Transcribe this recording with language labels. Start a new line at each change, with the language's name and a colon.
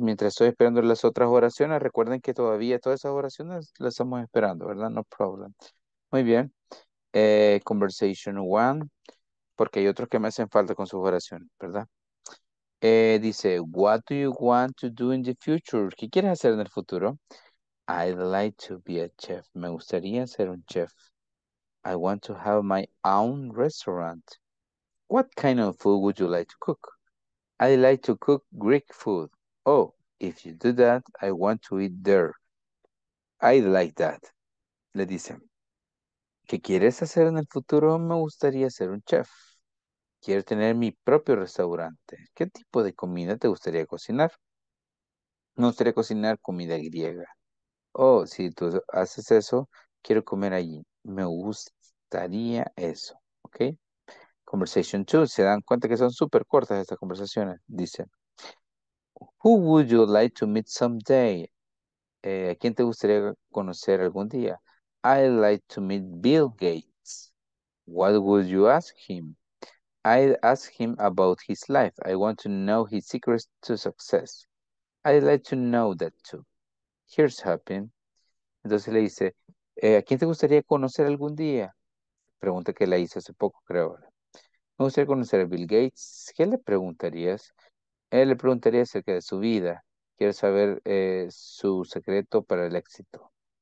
Spanish: Mientras estoy esperando las otras oraciones, recuerden que todavía todas esas oraciones las estamos esperando, ¿verdad?
English: No problem.
Spanish: Muy bien.
English: Conversation one,
Spanish: porque hay otros que me hacen falta con sus oraciones, ¿verdad?
English: Dice, what do you want to do in the future?
Spanish: ¿Qué quieres hacer en el futuro?
English: I'd like to be a chef.
Spanish: Me gustaría ser un chef.
English: I want to have my own restaurant. What kind of food would you like to cook? I like to cook Greek food. Oh, if you do that, I want to eat there. I like that.
Spanish: Le dice, ¿qué quieres hacer en el futuro? Me gustaría ser un chef. Quiero tener mi propio restaurante. ¿Qué tipo de comida te gustaría cocinar? Me gustaría cocinar comida griega. Oh, si tú haces eso, quiero comer allí. Me gustaría eso. ¿Ok?
English: Conversation 2.
Spanish: Se dan cuenta que son súper cortas estas conversaciones.
English: Dice, who would you like to meet someday?
Spanish: ¿A quién te gustaría conocer algún día?
English: I'd like to meet Bill Gates. What would you ask him? I'd ask him about his life. I want to know his secrets to success. I'd like to know that too. Here's hoping.
Spanish: Entonces le dice, ¿a quién te gustaría conocer algún día? Pregunta que le hice hace poco, creo. Me gustaría conocer a Bill Gates. ¿Qué le preguntarías? Él le preguntaría acerca de su vida. Quiero saber su secreto para el éxito.